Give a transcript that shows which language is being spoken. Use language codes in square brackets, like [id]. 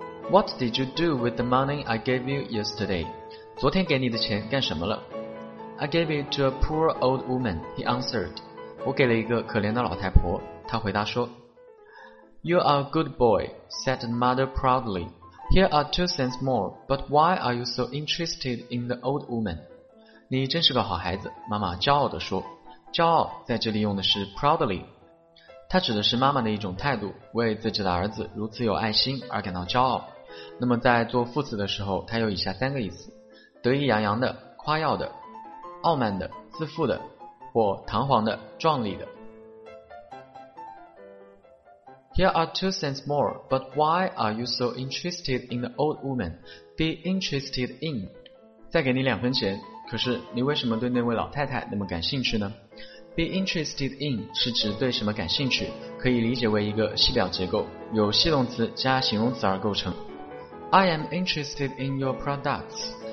[en] What did you do with the money I gave you yesterday? [zh] 昨天给你的钱干什么了？ [en] I gave it to a poor old woman, he answered. [zh] 我给了一个可怜的老太婆，他回答说。 [en] You are a good boy, said the mother proudly. Here are 2 cents more, but why are you so interested in the old woman? [zh] 你真是个好孩子，妈妈骄傲地说。骄傲在这里用的是 proudly，他指的是妈妈的一种态度，为自己的儿子如此有爱心而感到骄傲。那么在做副词的时候，他有以下三个意思：得意洋洋的、夸耀的、傲慢的、自负的，或堂皇的、壮丽的。 [en] Here are 2 cents more, but why are you so interested in the old woman? Be interested in. [zh] 再给你2分钱，可是你为什么对那位老太太那么感兴趣呢？ [en] Be interested in [zh] 是指对什么感兴趣，可以理解为一个系表结构，由系动词加形容词而构成。 [en] I am interested in your products.